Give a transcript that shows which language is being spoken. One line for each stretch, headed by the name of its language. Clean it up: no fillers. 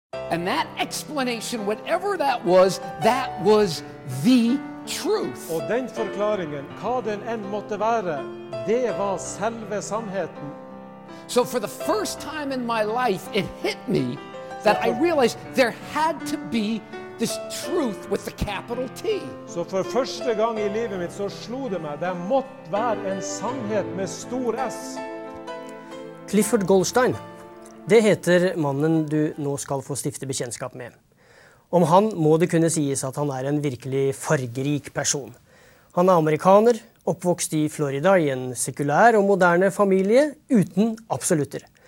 English: And that explanation, whatever that was the truth.
Swedish: Och den förklaringen, vad den än måtte vara, det var själva sanningen.
English: So for the first time in my life, it hit me that I realized there had to be this truth with the capital T.
Swedish: Så för första gången i livet mitt så slog det mig, det måste vara en sanning med stor S.
Norwegian: Clifford Goldstein, det heter mannen du nå skal få stifte bekjennskap med. Om han må det kunne sies at han en virkelig fargerik person. Han amerikaner, oppvokst i Florida i en sekulær og moderne familie uten absolutter.